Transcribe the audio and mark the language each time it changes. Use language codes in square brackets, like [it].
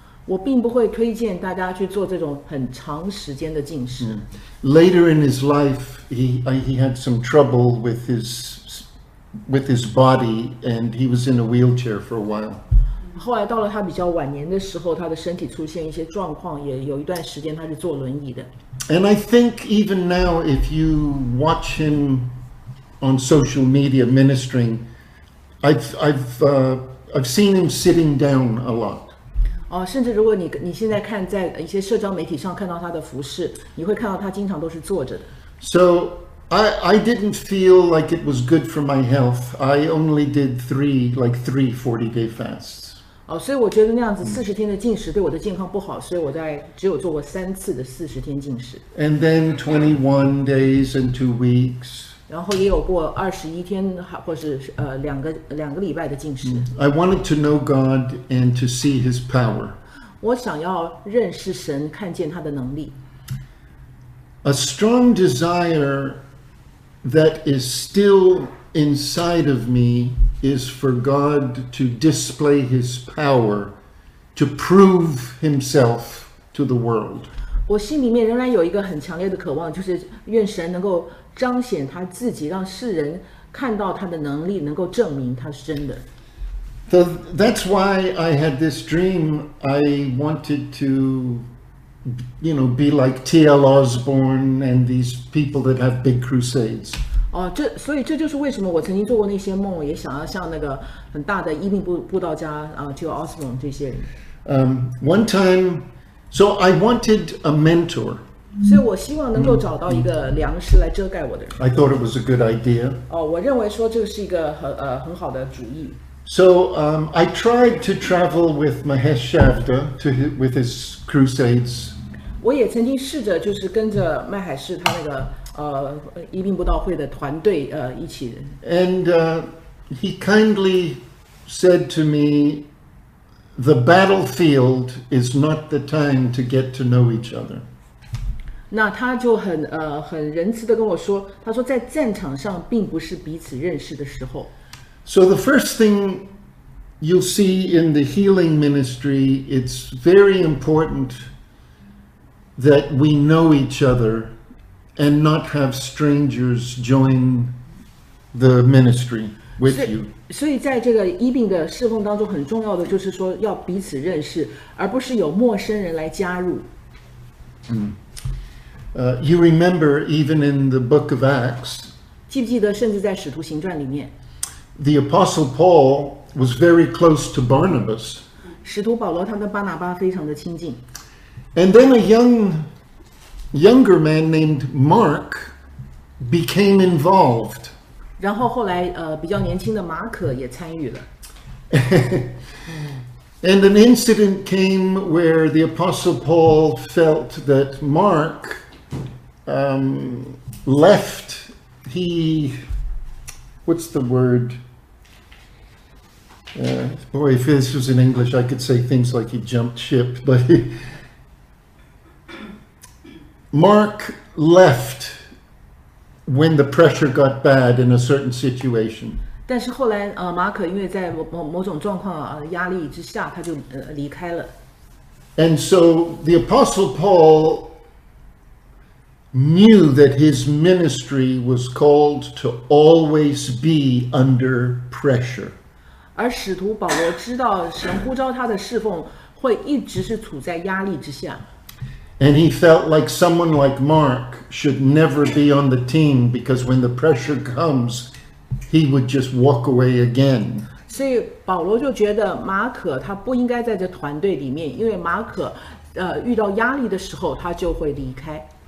[zh] 我并不会推荐大家去做这种很长时间的禁食。 [en] Later in his life, he had some trouble with his body, and he was in a wheelchair for a while. [zh] 后来到了他比较晚年的时候，他的身体出现一些状况，也有一段时间他是坐轮椅的。 [en] And I think even now, if you watch him on social media ministering, I've seen him sitting down a lot. [zh] 甚至如果你现在看在一些社交媒体上看到他的服事，你会看到他经常都是坐着的。 [en] So. I didn't feel like it was good for my health. I only did three 40-day fasts. [zh] 所以我觉得那样子40天的禁食对我的健康不好，所以我在只有做过三次的40天禁食。 [en] And then 21 days and 2 weeks. [zh] 然后也有过21天或是两个礼拜的禁食。 [en] I wanted to know God and to see his power. [zh] 我想要认识神，看见他的能力。 [en] A strong desire... that is still inside of me is for God to display his power, to prove himself to the world. [zh] 我心里面仍然有一个很强烈的渴望，就是愿神能够彰显他自己，让世人看到他的能力，能够证明他是真的。 [en] That's why I had this dream. I wanted to... you know, be like T.L. Osborne and these people that have big crusades. [zh] 所以这就是为什么我曾经做过那些梦，也想要像那个很大的伊甸布道家T.L. Osborne 这些人。 [en] One time, so I wanted a mentor. [zh] 所以我希望能够找到一个良师来遮盖我的人。 [en] I thought it was a good idea. [zh] 我认为说这是一个很好的主意。 [en] So, I tried to travel with Mahesh Shavda with his crusades. [zh] 我也曾经试着就是跟着麦海士他那个伊甸布道会的团队一起。 [en] And he kindly said to me, the battlefield is not the time to get to know each other. [zh] 那他就很仁慈地跟我说，他说在战场上并不是彼此认识的时候。 [en] So the first thing you'll see in the healing ministry, it's very important that we know each other and not have strangers join the ministry with you. [zh] 所以在这个医病的侍奉当中很重要的就是说要彼此认识，而不是有陌生人来加入。 [en] You remember even in the book of Acts, [zh] 记不记得甚至在使徒行传里面， [en] The Apostle Paul was very close to Barnabas. [zh] 使徒保罗他跟巴拿巴非常的亲近。 [en] And then a younger man named Mark became involved. [zh] 然后后来比较年轻的马可也参与了。 [en] And an incident came where the Apostle Paul felt that Mark left. He, what's the word? Boy, if this was in English, I could say things like he jumped ship, but Mark left when the pressure got bad in a certain situation. [zh] 但是后来马可因为在某种状况压力之下他就离开了。 [en] And so the Apostle Paul knew that his ministry was called to always be under pressure. [zh] 而使徒保罗知道神呼召他的侍奉会一直是处在压力之下。 [en] And he felt like someone like Mark should never be on the team because when the pressure comes, he would just walk away again. [zh] 所以保罗就觉得马可他不应该在这团队里面，因为马可遇到压力的时候他就会离开。